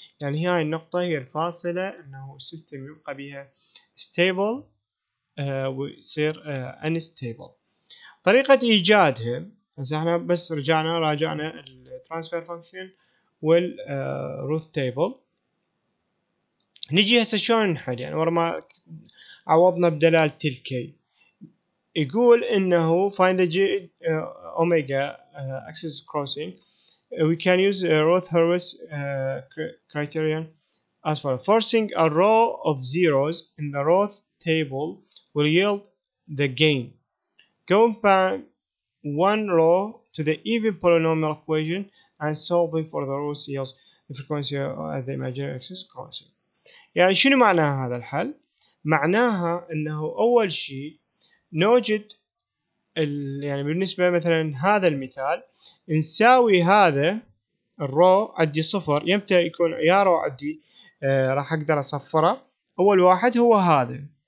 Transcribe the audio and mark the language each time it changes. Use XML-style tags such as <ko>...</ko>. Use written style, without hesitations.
<ar>يعني هي هاي النقطة هي الفاصلة انه السيستم يبقى بها stable ويصير unstable. طريقة إيجادها هسه احنا بس راجعنا الترانسفير فانكشن والروث تيبل، نجي هسه شلون نحل يعني ورا ما عوضنا بدلالة الكي. يقول انه</ar> <en>find the omega axis crossing we can use Roth-Hurwitz criterion as well. Forcing a row of zeros in the Roth table will yield the gain. Going back one row to the even polynomial equation and solving for the roots yields the frequency of the imaginary axis crossing.</en> <ar>يعني شنو معنى هذا الحل؟ معناها انه اول شيء نوجد يعني بالنسبة مثلا هذا المثال نساوي هذا الرو عدي صفر يمتى يكون يا رو عدي راح اقدر اصفره اول واحد هو هذا</ar>